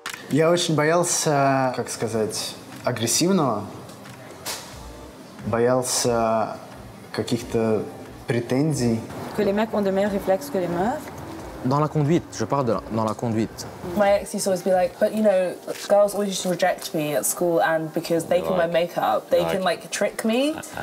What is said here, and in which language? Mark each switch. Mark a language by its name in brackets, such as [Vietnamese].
[Russian] Я очень боялся, как сказать, агрессивного. Боялся каких-то претензий. [French] Que les mecs ont de meilleurs réflexes que les meufs. Dans la conduite, je parle de dans la conduite. [English] My ex used to always be like, but you know, girls always used to reject me at school, and because they can wear makeup, they can like trick me.